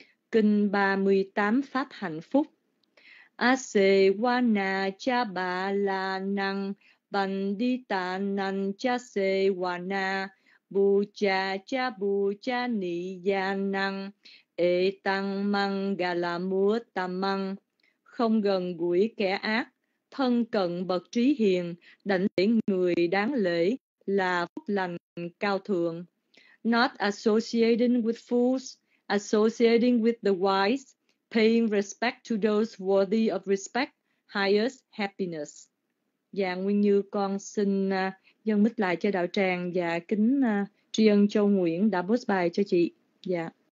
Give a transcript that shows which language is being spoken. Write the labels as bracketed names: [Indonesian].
[Vietnamese] Kinh 38 Pháp Hạnh Phúc. [Pali] A se wa na cha ba la năng bằng đi ta năng cha se wa na bu cha bu cha ni ya năng e tăng măng ga la múa tam măng. [Vietnamese] Không gần gũi kẻ ác, thân cận bậc trí hiền, đảnh lễ người đáng lễ là phúc lành cao thượng. [English] Not associating with fools, associating with the wise, paying respect to those worthy of respect, highest happiness. [Vietnamese] Dạ, Nguyên Như con xin dâng mít lại cho đạo tràng và kính tri ân Châu Nguyễn đã bốt bài cho chị. Dạ.